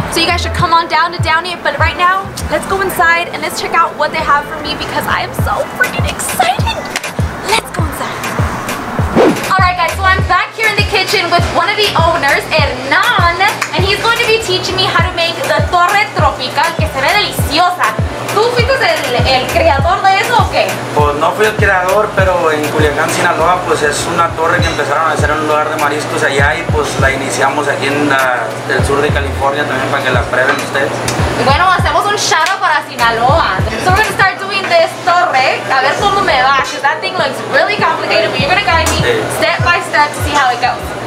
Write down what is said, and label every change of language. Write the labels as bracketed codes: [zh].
[en] So you guys should come on down to Downey, but right now, let's go inside and let's check out what they have for me because I am so freaking excited. Let's go inside. All right guys, so I'm back here in the kitchen with one of the owners, Hernan, and he's going to be teaching me how to make the torre tropical [es] que se ve deliciosa. ¿Tú fuiste el creador de eso o qué? Pues no fui el creador, pero en Culiacán, Sinaloa, pues es una torre que empezaron a hacer en un lugar de mariscos allá y pues la iniciamos aquí en el sur de California también para que la prueben ustedes. Bueno, hacemos un shout-out para Sinaloa. [en] So we're going to start doing this torre. [es] A ver cómo me va, [en] because that thing looks really complicated, but you're going to guide me step by step to see how it goes.